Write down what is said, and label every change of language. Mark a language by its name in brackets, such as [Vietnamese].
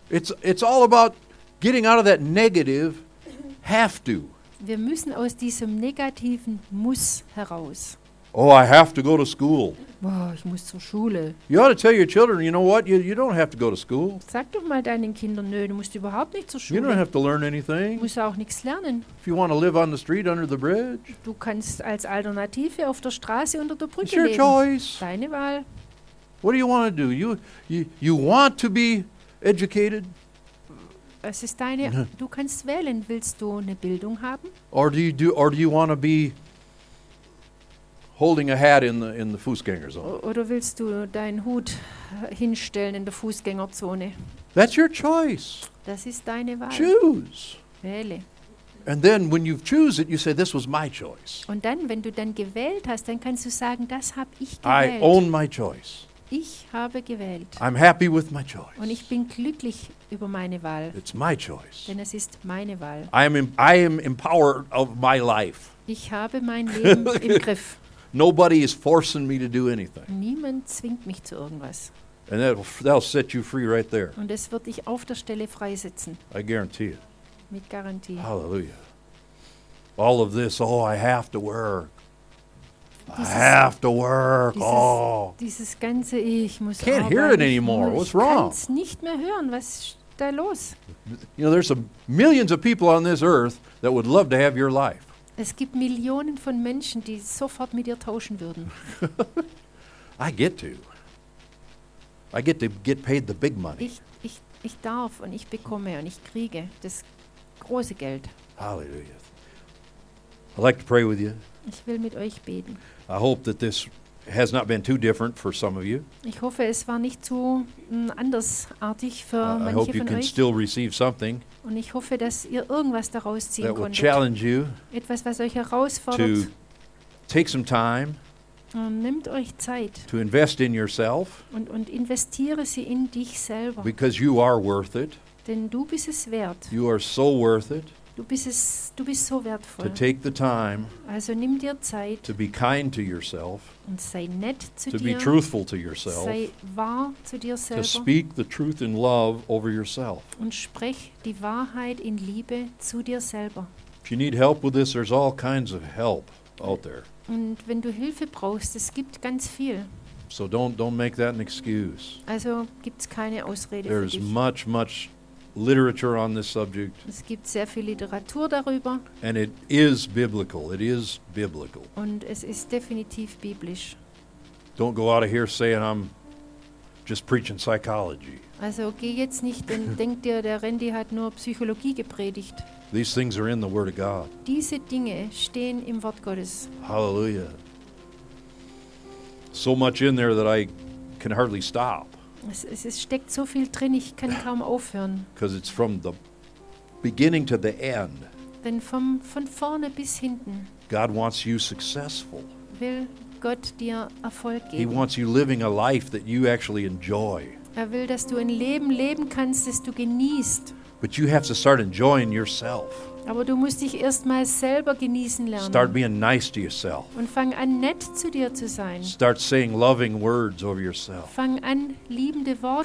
[English] It's all about getting out of that negative have to. [German] Wir müssen aus diesem negativen Muss heraus. [English] Oh, I have to go to school. [German] Boah, ich muss zur Schule. [English] You ought to tell your children, you know what? You don't have to go to school. [German] Sag doch mal deinen Kindern, nö, du musst überhaupt nicht zur Schule. [English] You don't have to learn anything. [German] Du musst auch nichts lernen. [English] If you want to live on the street under the bridge. [German] Du kannst als Alternative auf der Straße unter der Brücke leben. [English] It's your choice. [German] Deine Wahl. [English] What do you want to do? You want to be educated? [German] Es ist deine. Du kannst wählen. Willst du eine Bildung haben? [English] Or do you want to be holding a hat in the Fußgänger zone? [German] Oder willst du deinen Hut hinstellen in der Fußgängerzone? [English] That's your choice. [German] Das ist deine Wahl. [English] Choose. [German] Wähle. [English] And then when you choose it, you say, this was my choice. [German] Und dann, wenn du dann gewählt hast, dann kannst du sagen, das habe ich gewählt. [English] I own my choice. [German] Ich habe gewählt. [English] I'm happy with my choice. [German] Und ich bin glücklich über meine Wahl. [English] It's my choice. [German] Denn es ist meine Wahl. [English] I am empowered of my life. [German] Ich habe mein Leben im Griff. [English] Nobody is forcing me to do anything. [German] Niemand zwingt mich zu irgendwas. [English] And that'll set you free right there. [German] Und es wird dich auf der Stelle freisetzen. [English] I guarantee it. [German] Mit Garantie. [English] Hallelujah. All of this, oh, I have to work. I have to work. [German] Dieses ganze ich muss arbeiten. [English] Can't hear it anymore. What's wrong? [German] Ich kann's nicht mehr hören. Was da los? [English] You know, there's some millions of people on this earth that would love to have your life. [German] Es gibt Millionen von Menschen, die sofort mit dir tauschen würden. [English] I get to get paid the big money. [German] Ich darf und ich bekomme und ich kriege das große Geld. [English] Hallelujah. I'd like to pray with you. [German] Ich will mit euch beten. [English] I hope that this has not been too different for some of you. [German] Ich hoffe, es war nicht zu andersartig für manche von euch. [English] I hope you can still receive something. [German] Und ich hoffe, dass ihr irgendwas daraus ziehen konntet. [English] That will challenge you. [German] Etwas, was euch herausfordert. [English] To take some time. [German] Nehmt euch Zeit. [English] To invest in yourself. [German] Und investiere sie in dich selber. [English] Because you are worth it. [German] Denn du bist es wert. [English] You are so worth it. [German] Du bist so wertvoll. [English] To take the time, [German] also nimm dir Zeit. [English] To be kind to yourself. [German] Und sei nett zu [English] to [German] dir. [English] Be truthful to yourself. [German] Sei wahr zu dir selber. [English] To speak the truth in love over yourself. [German] Und sprich die Wahrheit in Liebe zu dir selber. [English] If you need help with this, there's all kinds of help out there. [German] Und wenn du Hilfe brauchst, es gibt ganz viel. [English] So don't make that an excuse. [German] Also gibt's keine Ausrede. [English] There's [German] für dich. [English] much literature on this subject. [German] Es gibt sehr viel Literatur darüber. [English] And it is biblical. It is biblical. [German] Und es ist definitiv biblisch. [English] Don't go out of here saying I'm just preaching psychology. [German] Also geh jetzt nicht und denk dir, der Randy hat nur Psychologie gepredigt. [English] These things are in the Word of God. [German] Diese Dinge stehen im Wort Gottes. [English] Hallelujah. So much in there that I can hardly stop. [German] Es steckt so viel drin, ich kann kaum aufhören. [English] Because it's from the beginning to the end. [German] Denn von vorne bis hinten. [English] God wants you successful. [German] Will Gott dir Erfolg geben. [English] He wants you living a life that you actually enjoy. [German] Er will, dass du ein Leben leben kannst, das du genießt. [English] But you have to start enjoying yourself. [German] Aber du musst dich erst mal selber genießen lernen. [English] Start being nice to yourself. [German] Und fang an, nett zu dir zu sein. [English] Start saying loving words over yourself. [German] Fang an, liebende Worte